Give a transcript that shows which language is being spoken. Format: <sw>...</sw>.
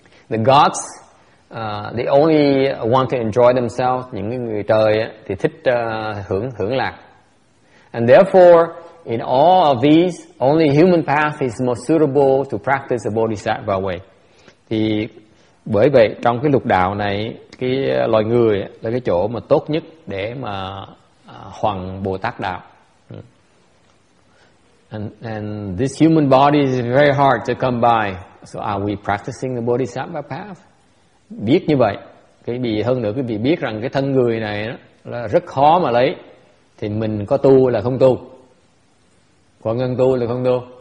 <en>The gods, they only want to enjoy themselves.</en> <vi>Những người trời thì thích hưởng lạc.</vi> <en>And therefore, in all of these, only human path is most suitable to practice the Bodhisattva way.</en> <vi>Thì bởi vậy trong cái lục đạo này, cái loài người là cái chỗ mà tốt nhất để mà hoằng Bồ Tát đạo.</vi> <en>And this human body is very hard to come by. So are we practicing the Bodhisattva path?</en> <vi>Biết như vậy, cái vì hơn nữa cái vị biết rằng cái thân người này là rất khó mà lấy, thì mình có tu là không tu, có ngân tu là không tu.</vi>